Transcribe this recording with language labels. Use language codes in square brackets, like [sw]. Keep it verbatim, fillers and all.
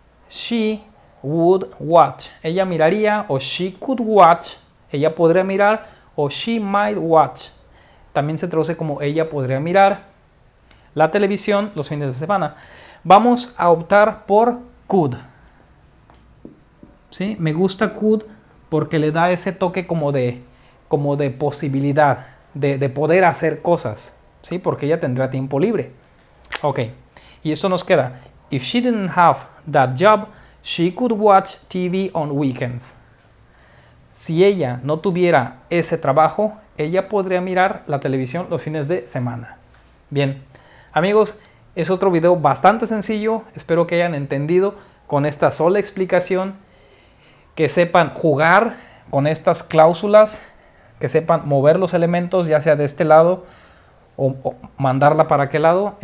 [en] She would watch, [es] ella miraría, [en] o she could watch, [es] ella podría mirar, [en] o she might watch. [es] También se traduce como ella podría mirar la televisión los fines de semana. Vamos a optar por could. ¿Sí? Me gusta could porque le da ese toque como de, como de posibilidad, de, de poder hacer cosas, ¿sí? Porque ella tendrá tiempo libre. Ok, y esto nos queda. [en] If she didn't have that job, she could watch T V on weekends. [es] Si ella no tuviera ese trabajo, ella podría mirar la televisión los fines de semana. Bien, amigos, es otro video bastante sencillo. Espero que hayan entendido con esta sola explicación, que sepan jugar con estas cláusulas, que sepan mover los elementos, ya sea de este lado o, o mandarla para aquel lado.